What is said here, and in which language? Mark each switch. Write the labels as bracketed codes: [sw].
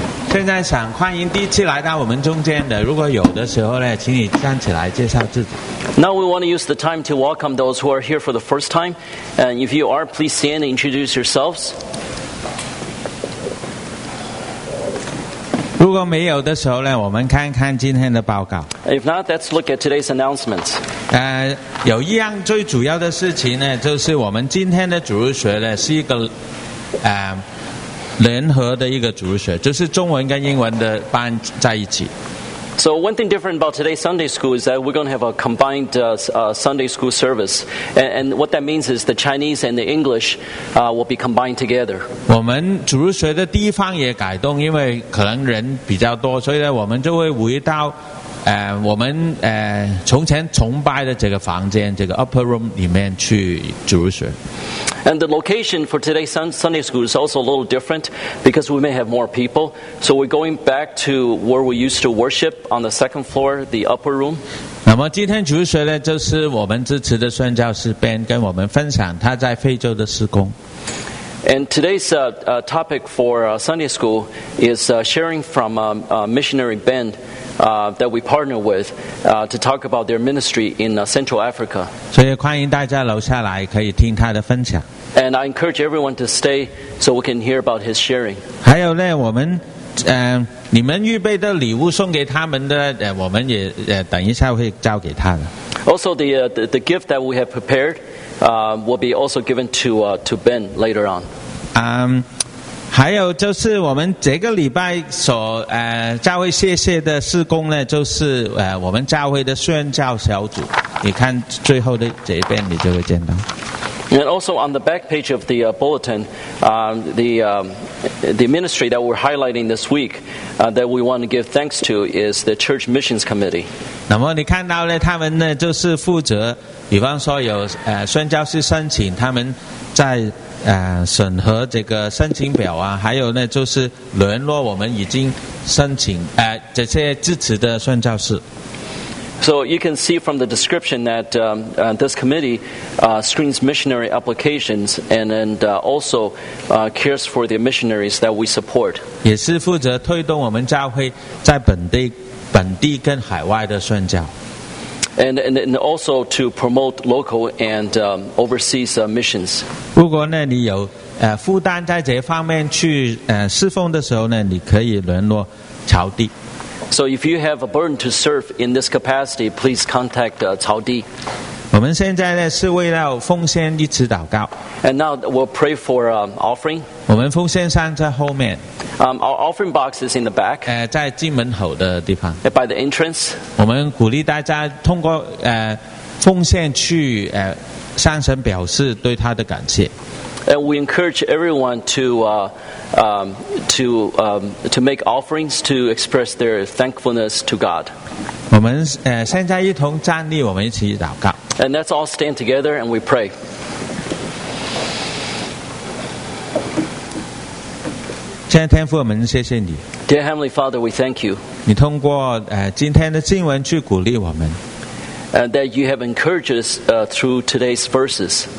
[zh] 现在想欢迎第一次来到我们中间的，如果有的时候呢，请你站起来介绍自己。 [en] Now we want to use the time to welcome those who are here for the first time. And if you are, please stand and introduce yourselves. [zh] 如果没有的时候呢，我们看看今天的报告。 [en] If not, let's look at today's announcements. [zh] 有一样最主要的事情呢，就是我们今天的主日学呢是一个联合的一个主日学，就是中文跟英文的班在一起。 [en] So one thing different about today's Sunday school is that we're going to have a combined Sunday school service. And what that means is the Chinese and the English will be combined together. [zh] 我们主日学的地方也改动，因为可能人比较多，所以呢我们就会回到我们从前崇拜的这个房间，这个 upper room 里面去主日学。 [en] And the location for today's Sunday school is also a little different because we may have more people. So we're going back to where we used to worship on the second floor, the upper room. [zh] 那么今天主日学呢，就是我们支持的宣教士 Ben 跟我们分享他在非洲的事工。 [en] And today's topic for Sunday school is sharing from missionary Ben that we partner with to talk about their ministry in Central Africa. [zh] 所以欢迎大家留下来可以听他的分享。 [en] And I encourage everyone to stay so we can hear about his sharing. [zh] 还有呢，我们你们预备的礼物送给他们的，我们也等一下会交给他的。 [en] Also, the gift that we have prepared, will be also given to Ben later on. [zh] 还有就是我们这个礼拜所教会谢谢的事工呢，就是我们教会的宣教小组。你看最后的这一边，你就会见到。 [en] And also on the back page of the bulletin, the ministry that we're highlighting this week, that we want to give thanks to is the Church Missions Committee. [zh] 那么你看到呢，他们呢就是负责，比方说有宣教士申请，他们在审核这个申请表啊，还有呢就是联络我们已经申请这些支持的宣教士。 [en] So you can see from the description that this committee screens missionary applications and also cares for the missionaries that we support. [zh] 也是负责推动我们教会在本地跟海外的宣教。 [en] And also to promote local and overseas missions. [zh] 如果呢你有负担在这方面去侍奉的时候呢，你可以联络乔弟。 [en] So if you have a burden to serve in this capacity, please contact Cao Di. [zh] 我们现在呢是为了奉献一次祷告。 [en] And now we'll pray for offering. [zh] 我们奉献箱在后面。 [en] Our offering box is in the back. [zh] 在进门口的地方。 [en] By the entrance. [zh] 我们鼓励大家通过奉献去向神表示对他的感谢。 [en] And we encourage everyone to make offerings to express their thankfulness to God. [zh] 我们现在一同站立，我们一起祷告。 [en] And let's all stand together and we pray. [zh] 亲爱的天父，我们谢谢你。 [en] Dear Heavenly Father, we thank you. [zh] 你通过今天的经文去鼓励我们。 [en] And that you have encouraged us through today's verses.